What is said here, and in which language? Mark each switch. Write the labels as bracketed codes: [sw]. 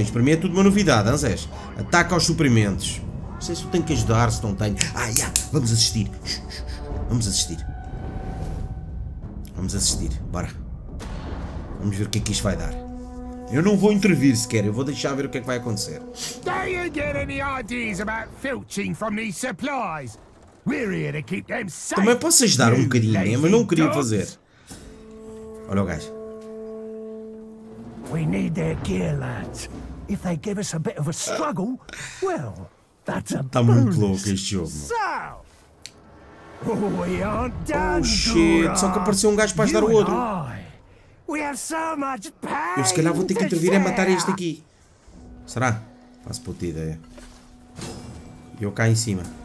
[pt] Isto para mim é tudo uma novidade, hein, Zés? Ataca aos suprimentos. Não sei se eu tenho que ajudar, se não tenho. Ah, ya! Vamos assistir. Vamos assistir. Vamos assistir, bora. Vamos ver o que é que isto vai dar. Eu não vou intervir sequer, eu vou deixar ver o que é que vai acontecer. [en] Don't you get any ideas about filching from these supplies? We're here to keep them safe. [pt] Também posso ajudar um bocadinho, hein? Mas não queria fazer. Olha o gajo. [en] We need their gear, lads. If they give us a bit of a struggle, well, that's a bonus. [pt] Está muito louco este jogo. [en] We aren't done, oh shit, [pt] só que apareceu um gajo para ajudar o outro. [en] We have so much pain. [pt] Eu se calhar vou ter que intervir a matar este aqui. Será? Faço puta ideia. Eu cá em cima.